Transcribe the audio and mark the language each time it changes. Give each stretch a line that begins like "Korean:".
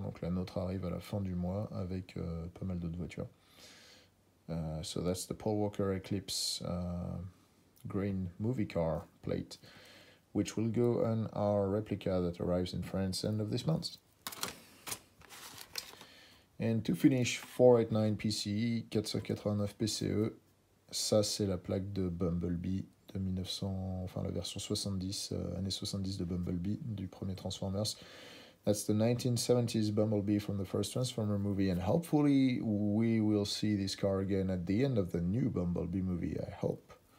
French: Donc la nôtre arrive à la fin du mois avec pas mal d'autres voitures.
English: So that's the Paul Walker Eclipse green movie car plate, which will go on our replica that arrives in France end of this month. And to finish, 489 PCE, 489 PCE.
French: Ça, c'est la plaque de Bumblebee, la version 70, années 70 de Bumblebee, du premier Transformers.
English: That's the 1970s Bumblebee from the first Transformer movie, and hopefully we will see this car again at the end of the new Bumblebee movie, I hope.